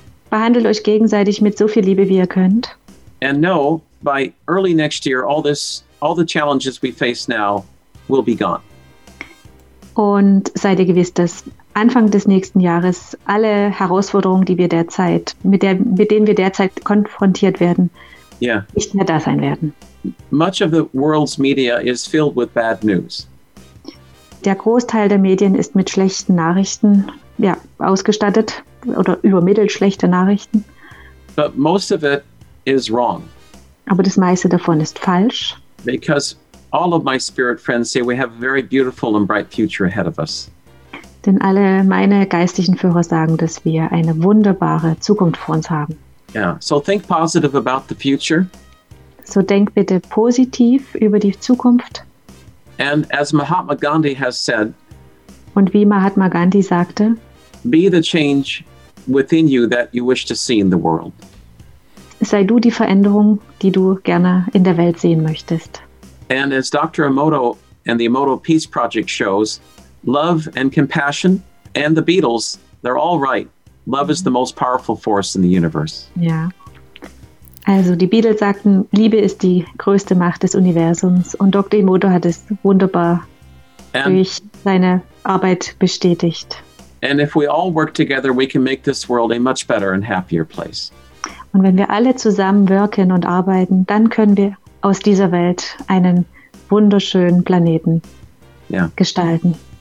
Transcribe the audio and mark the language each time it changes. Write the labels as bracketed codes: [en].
[de] Behandelt euch gegenseitig mit so viel Liebe, wie ihr könnt. [en] And know, by early next year, all the challenges we face now will be gone. [de] Und seid ihr gewiss, dass Anfang des nächsten Jahres alle Herausforderungen, die wir derzeit, mit denen wir derzeit konfrontiert werden, nicht mehr da sein werden. [en] Much of the world's media is filled with bad news. [de] Der Großteil der Medien ist mit schlechten Nachrichten, ausgestattet oder übermittelt schlechte Nachrichten. [en] But most of it is wrong. [de] Aber das meiste davon ist falsch. [en] Because all of my spirit friends say we have a very beautiful and bright future ahead of us. [de] Denn alle meine geistigen Führer sagen, dass wir eine wunderbare Zukunft vor uns haben. [en] Yeah, so think positive about the future. [de] So denk bitte positiv über die Zukunft. [en] And as Mahatma Gandhi has said, [de] und wie Mahatma Gandhi sagte, [en] be the change within you that you wish to see in the world. [de] Sei du die Veränderung, die du gerne in der Welt sehen möchtest. [en] And as Dr. Emoto and the Emoto Peace Project shows, love and compassion and the Beatles, they're all right. Love is the most powerful force in the universe. Yeah. [de] Also die Beatles sagten, Liebe ist die größte Macht des Universums und Dr. Emoto hat es wunderbar durch seine Arbeit bestätigt. [en] And if we all work together, we can make this world a much better and happier place. [de] Und wenn wir alle zusammenwirken und arbeiten, dann können wir aus dieser Welt einen wunderschönen Planeten gestalten.